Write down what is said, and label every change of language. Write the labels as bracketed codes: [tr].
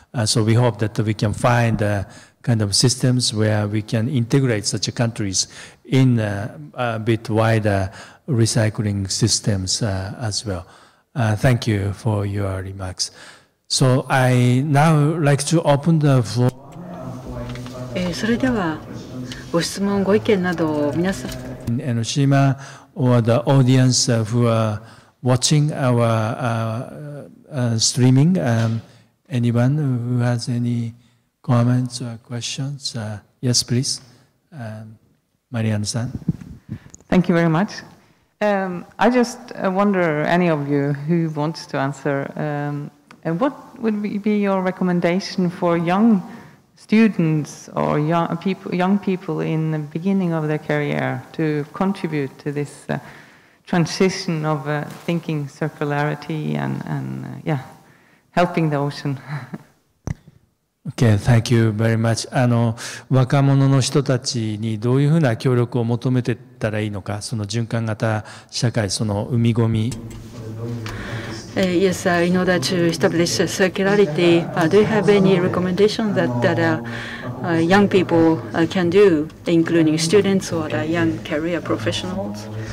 [en] So we hope that we can find kind of systems where we can integrate such countries in a bit wider recycling systems as well. Thank you for your remarks. So I now like to open the floor. [ja] それではご質問、ご意見などを皆さん。 [en] In Enoshima or the audience who are watching our streaming, anyone who has any comments or questions, yes, please, Marianne-san. Thank you very much. I just wonder, any of you who wants to answer, what would be your recommendation for young students or young people in the beginning of their career to contribute to this transition of thinking circularity and helping the ocean? Okay, thank you very much. [ja] 若者の人たちにどういうふうな協力を求めてたらいいのか、その循環型社会、その海ごみ。 [en] Yes, in order to establish circularity, do you have any recommendations that young people can do, including students or the young career professionals?